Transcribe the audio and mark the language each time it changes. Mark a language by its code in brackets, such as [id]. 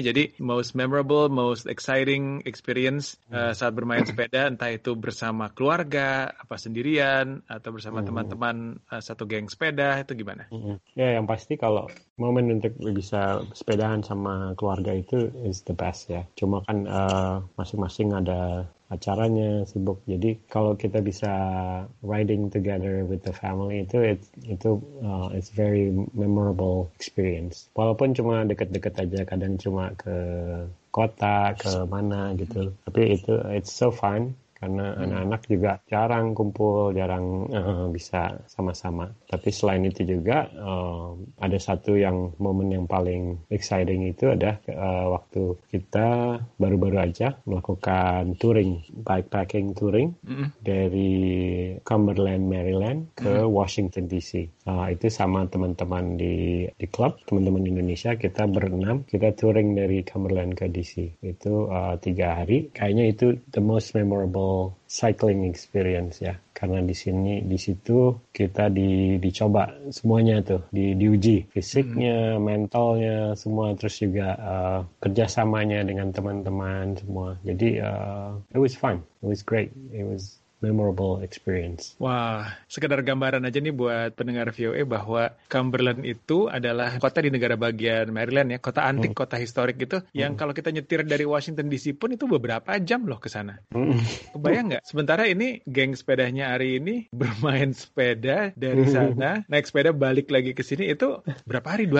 [id] Jadi [en] most memorable, most exciting experience [id] saat bermain sepeda, entah itu bersama keluarga, apa sendirian, atau bersama teman-teman satu geng sepeda, itu gimana? Ya, yang pasti kalau momen untuk bisa sepedaan sama keluarga itu [en] is the best [id] ya. Cuma kan masing-masing ada acaranya, sibuk. Jadi kalau kita bisa [en] riding together with the family itu it's very memorable experience. [id] Walaupun cuma deket-deket aja, kadang cuma ke kota, ke mana gitu. Tapi itu [en] it's so fun. [id] karena anak-anak juga jarang kumpul, jarang bisa sama-sama. Tapi selain itu juga ada satu yang momen yang paling exciting itu ada waktu kita baru-baru aja melakukan touring, bikepacking touring dari Cumberland, Maryland ke Washington DC. Itu sama teman-teman di klub, teman-teman Indonesia, kita berenam, kita touring dari Cumberland ke DC. Itu 3 hari. Kayaknya itu [en] the most memorable cycling experience [id] ya, karena di sini, di situ kita dicoba semuanya tuh, diuji fisiknya, mentalnya semua, terus juga kerjasamanya dengan teman-teman semua. [en] Jadi it was fun, it was great, it was memorable experience. [id] Wah, sekedar gambaran aja nih buat pendengar VOA bahwa Cumberland itu adalah kota di negara bagian Maryland ya, kota antik, kota historik gitu, yang kalau kita nyetir dari Washington DC pun itu beberapa jam loh ke sana. Kebayang nggak? Sementara ini geng sepedanya hari ini bermain sepeda dari sana, naik sepeda balik lagi ke sini, itu berapa hari?